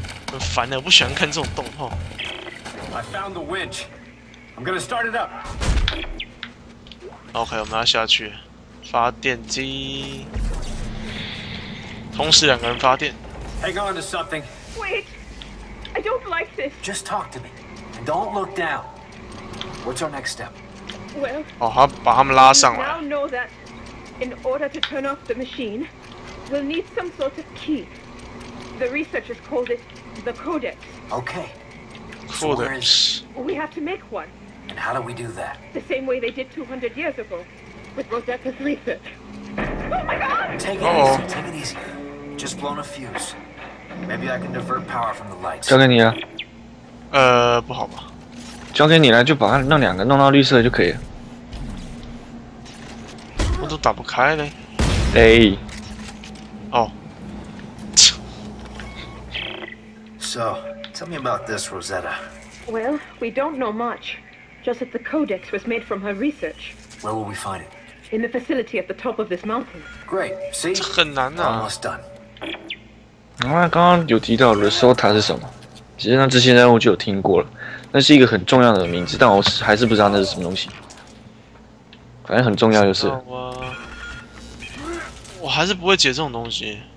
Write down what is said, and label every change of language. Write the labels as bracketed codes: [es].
[zh] 很烦的、欸，我不喜欢看这种动画。 [en] I found the winch. I'm gonna start it up. [zh] OK， 我们要下去，发电机，同时两个人发电。 [en] Hang on to something. Wait, I don't like this. Just talk to me, and don't look down. What's our next step? Well, [zh] 哦，他把他们拉上来。 [en] You now know that in order to turn off the machine, we'll need some sort of key. The researchers called it the codex. Okay. Codex. So we have to make one. And how do we do that? The same way they did 200 years ago with Rosetta's research. Oh my God! Take it easy. Just blown a fuse. Maybe I can divert power from the lights. [zh] 交给你了。不好吧。交给你了，就把那两个弄到绿色就可以了。我都打不开嘞。哎。哦。 [en] So, tell me about this, Rosetta. Well, we don't know much. Just that the Codex was made from her research. Where will we find it? In the facility at the top of this mountain. Great. See? [zh] 这很难啊。 [en] Almost done. [zh] 另外，刚刚有提到 Rosetta 是什么？其实那之前任务就有听过了，那是一个很重要的名字，但我还是不知道那是什么东西。反正很重要就是。我还是不会解这种东西。